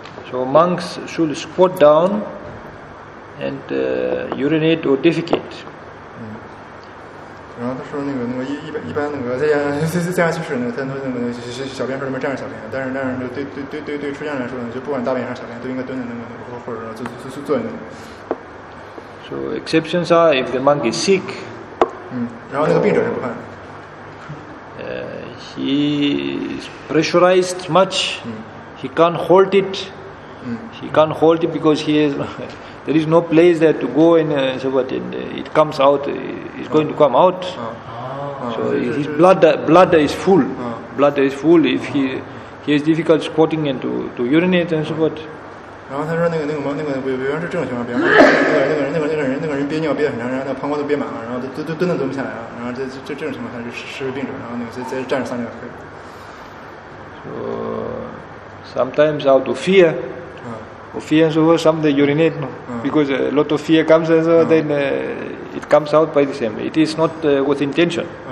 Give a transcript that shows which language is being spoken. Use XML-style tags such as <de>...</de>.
<en>So monks should squat down and urinate or defecate.</en> <zh>然后他说那个一般那个在家就是那个他那个小便不是那么站着小便，但是就对出家人来说呢，就不管大便还是小便，都应该蹲在那个或者就坐在那个。</zh> <en>So exceptions are if the monk is sick.</en> <zh>嗯，然后那个病者是不看的。</zh> <en>He is pressurized much. He can't hold it. He can't hold it because he is. There is no place there to go in, so what, and it comes out, it's going to come out. So his blood is full. Blood is full if he has difficulty squatting and to urinate and so what.</en> <zh>然后他说那个委员是这种情况，比方说那个人憋尿憋得很长，然后那膀胱都憋满了，然后蹲都蹲不下来了，然后这种情况他是失病者，然后那个再站着撒尿可以。</zh> <en>So sometimes out of fear. Fear and so forth, some they urinate, no? Because a lot of fear comes and so then it comes out by the same. It is not with intention.</en>